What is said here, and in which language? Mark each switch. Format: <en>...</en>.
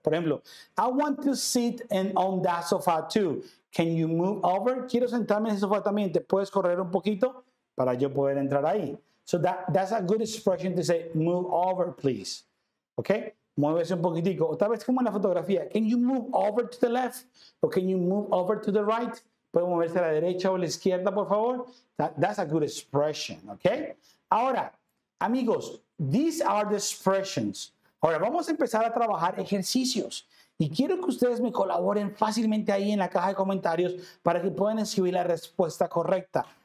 <es>Por ejemplo,</es> <en>I want to sit on that sofa too. Can you move over?</en> <es>Quiero sentarme en ese sofá también. ¿Te puedes correr un poquito para yo poder entrar ahí?</es> <en>So that's a good expression to say, move over, please.</en> <es>Okay? Muévese un poquitico. O tal vez como en la fotografía.</es> <en>Can you move over to the left? Or can you move over to the right?</en> <es>¿Puedo moverse a la derecha o a la izquierda, por favor?</es> <en>That's a good expression, okay?</en> <es>Ahora, amigos,</es> <en>these are the expressions.</en> <es>Ahora, vamos a empezar a trabajar ejercicios. Y quiero que ustedes me colaboren fácilmente ahí en la caja de comentarios para que puedan escribir la respuesta correcta.</es>